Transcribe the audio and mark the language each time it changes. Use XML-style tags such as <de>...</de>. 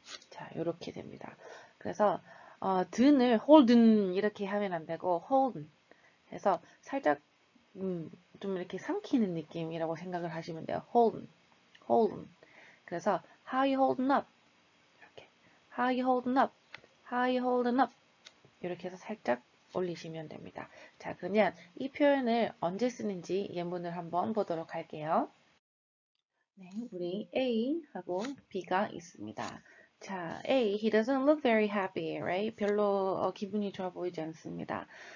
<ko>자, 이렇게 됩니다. 그래서 den을 holden 이렇게 하면 안 되고 holden 해서 살짝 좀 이렇게 삼키는 느낌이라고 생각을 하시면 돼요.</ko> <en>Holden. 그래서 How you holding up? 이렇게 How you holding up? How you holding up?</en> <ko>이렇게 해서 살짝 올리시면 됩니다. 자, 그러면 이 표현을 언제 쓰는지 예문을 한번 보도록 할게요. 네, 우리 A하고 B가 있습니다.</ko> <en>자, A, he doesn't look very happy, right?</en> <ko>별로 기분이 좋아 보이지 않습니다.</ko>